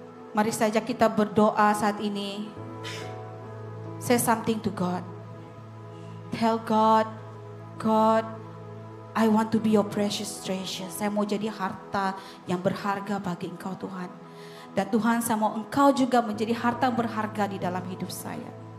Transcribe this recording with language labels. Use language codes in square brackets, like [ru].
[id] Mari saja kita berdoa saat ini. [en] Say something to God. Tell God, God, I want to be your precious treasure. [id] Saya mau jadi harta yang berharga bagi Engkau Tuhan. Dan Tuhan, saya mau Engkau juga menjadi harta yang berharga di dalam hidup saya.